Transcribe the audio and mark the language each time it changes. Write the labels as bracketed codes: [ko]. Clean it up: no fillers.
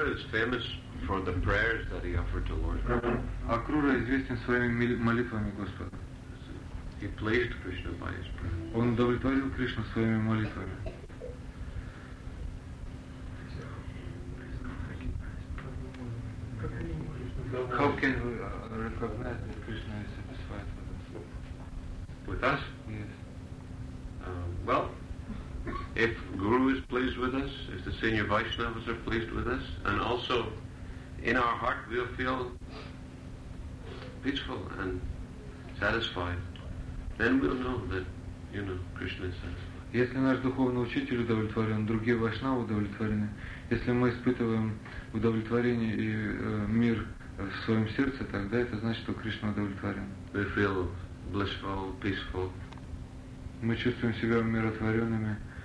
[en] Famous for the prayers that he offered to Lord Krishna. [ru] Акрура известен своими молитвами Господа. [en] He pleased Krishna by his prayer. [ru] Он удовлетворил Кришну своими молитвами. [en] How can we recognize that Krishna is satisfied with us? With us? Yes. If Guru is pleased with us, if the senior Vaishnavas are pleased with us, and also in our heart we'll feel peaceful and satisfied, then we'll know that, you know, Krishna is satisfied. [ru] Если наш духовный учитель удовлетворен, другие Вайшнавы удовлетворены, если мы испытываем удовлетворение и мир в своем сердце, тогда это значит, что Кришна удовлетворен. [en] We feel blissful, peaceful. [ru] Мы чувствуем себя умиротворенными.